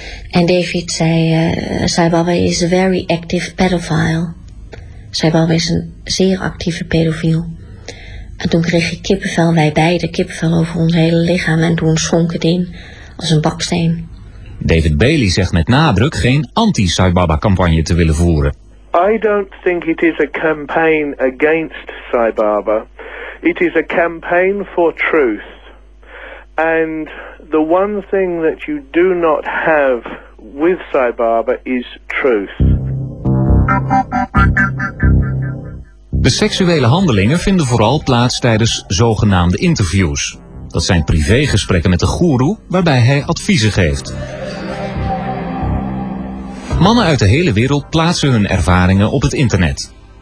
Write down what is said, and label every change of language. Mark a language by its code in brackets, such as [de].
[nl] En David zei, [en] Sai Baba is a very active pedophile. [nl] Sai Baba is een zeer actieve pedofiel. En toen kreeg ik kippenvel, wij beide kippenvel over ons hele lichaam. En toen schonk het in als een baksteen. David Bailey zegt met nadruk geen anti-Sai Baba campagne te willen voeren. [en] I don't think it is a campaign against Sai Baba. It is a campaign for truth. And the one thing that you do not have with Sai Baba is truth. [nl] De seksuele handelingen vinden vooral plaats tijdens zogenaamde interviews. Dat zijn privégesprekken met de goeroe waarbij hij adviezen geeft. Mannen uit de hele wereld plaatsen hun ervaringen op het internet.